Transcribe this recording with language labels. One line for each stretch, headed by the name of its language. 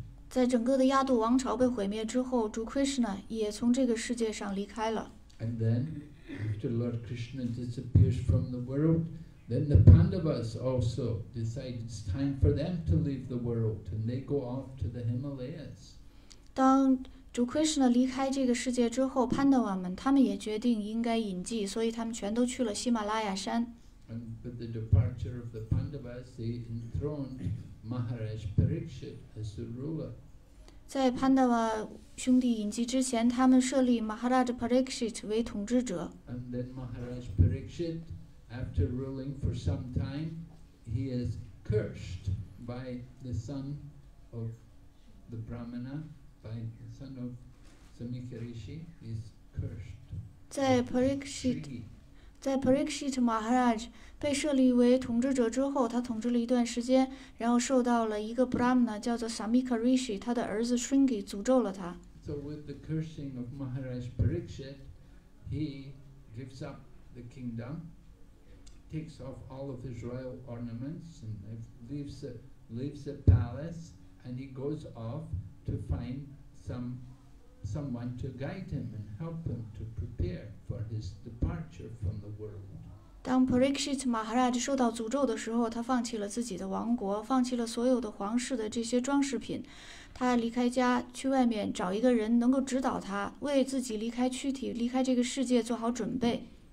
Chinese: 在整个的亚度王朝被毁灭之后，主 Krishna 也从这个世界上离开了。
English: And then, after Lord Krishna disappears from the world. Then the Pandavas also decide it's time for them to leave the world, and they go off to the Himalayas.
Chinese: 当主 Krishna 离开这个世界之后，潘德瓦们他们也决定应该隐迹，所以他们全都去了喜马拉雅山。
English: And with the departure of the Pandavas, he enthroned Maharaj Parikshit as the ruler.
Chinese: 在潘德瓦兄弟隐迹之前，他们设立 Maharaj Parikshit 为统治者。
English: And then Maharaj Parikshit, after ruling for some time, he is cursed by the son of the Brahmana, by the son of Samikarishi, is cursed.
Chinese: 在 Parikshit Maharaj 被设立为统治者之后，他统治了一段时间，然后受到了一个 Brahmana 叫做 Samika Rishi 他的儿子 Sringi 诅咒了他。
English: So with the cursing of Maharaj Parikshit, he gives up the kingdom, takes off all of his royal ornaments, and leaves the palace, and he goes off to find someone to guide him and help him to prepare for his departure from the world.
Chinese: 当 Parikshit Maharaj 受到诅咒的时候，他放弃了自己的王国，放弃了所有的皇室的这些装饰品，他离开家去外面找一个人能够指导他，为自己离开躯体，离开这个世界做好准备。